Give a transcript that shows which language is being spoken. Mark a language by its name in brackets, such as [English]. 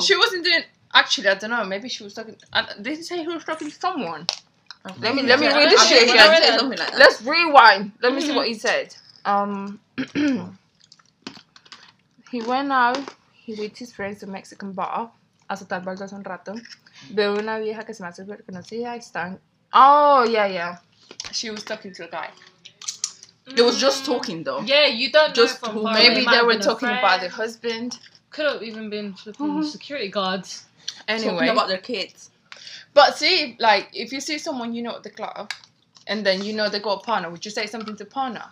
[English] She wasn't doing. Actually, I don't know. Maybe she was talking. They didn't say who was talking to someone. Okay. Let me read this shit again. Let's rewind. Let me see what he said. he went out with his friends to a Mexican bar. [Spanish] Azotar baldosa un rato. Veo una vieja que se me hace súper conocida. [English] She was talking to a guy. It was just talking though. Yeah, you don't just know. Just maybe they were talking about their husband. Could have even been security guards. Anyway. Talking about their kids. But see, like, if you see someone you know at the club and then you know they got a partner, would you say something to a partner?